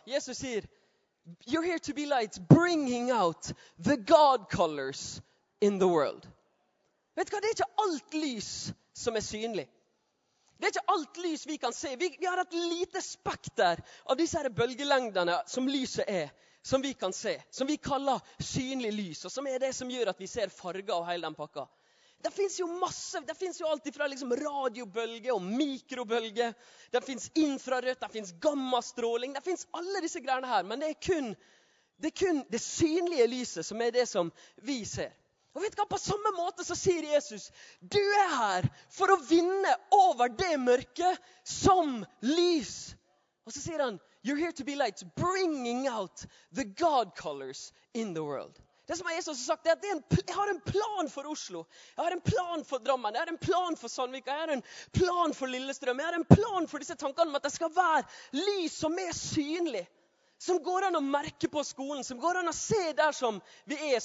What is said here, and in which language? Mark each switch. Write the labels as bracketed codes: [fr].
[no] Jesus sier, [en] you're here to be light, bringing out the God colors in the world. [no] Vet du hva? Det er ikke alt lys som er synlig. Det er ikke alt lys vi kan se. Vi har et lite spekter av disse her bølgelengdene som lyset er, som vi kan se, som vi kaller synlig lys, og som er det som gjør at vi ser farger av hele den pakka. Det finnes jo masse, det finnes jo alt ifra liksom radiobølge og mikrobølge. Det finnes infrarødt, det finnes gammastråling, det finnes alle disse greiene her. Men det er kun det synlige lyset som er det som vi ser. Og vet du hva, på samme måte så sier Jesus, du er her for å vinne over det mørket som lys. Og så sier han, [en] you're here to be light, bringing out the God colors in the world. [no] Det som Jesus har sagt, det at jeg har en plan for Oslo. Jeg har en plan for Drammen. Jeg har en plan for Sandvika. Jeg har en plan for Lillestrøm. Jeg har en plan for disse tankene om at det skal være lys som er synlig. Som går an å merke på skolen. Som går an å se der som vi er.